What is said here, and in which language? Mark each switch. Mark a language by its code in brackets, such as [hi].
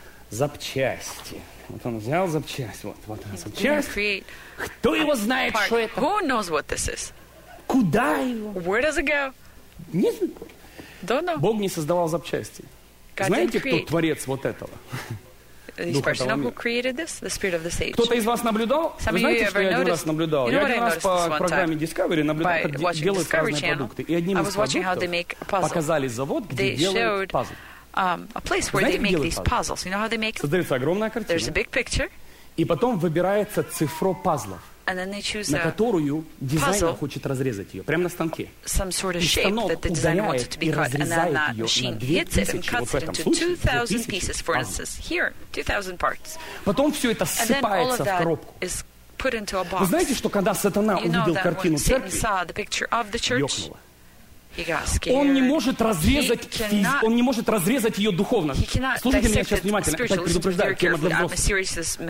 [ru] Запчасти. Вот Он взял запчасть. Вот она, запчасть. Кто его знает, что это? [en] Who knows what this is? [ru] Куда его? [en] Where does it go? [ru] Не знаю. Бог не создавал запчасти. Знаете, кто творец вот этого? [en] This person who created this, the spirit of this age. [ru] Кто-то из вас наблюдал? Вы знаете, что я один раз наблюдал? Я один раз по программе Discovery наблюдал, как делают разные продукты. И одним из продуктов показали завод, где делают пазлы. [en] A place where they make these puzzles. You know how they make them? [ru] Создается огромная картина. [en] There's a big picture. [ru] И потом выбирается цифро пазлов. [en] and then they choose [ru] на которую дизайнер хочет разрезать ее, прямо на станке. [en] Some sort of shape that the designer wants it to be cut, and then that machine hits it and cuts it into 2,000 pieces, for instance, here, 2,000 parts. [ru] Потом все это ссыпается в коробку. [en] Put into a box. [ru] Вы знаете, что когда сатана увидел картину церкви, ёкнуло. Он не может разрезать он не может разрезать ее духовно. Слушайте меня сейчас внимательно, я так предупреждаю, тема для взрослых.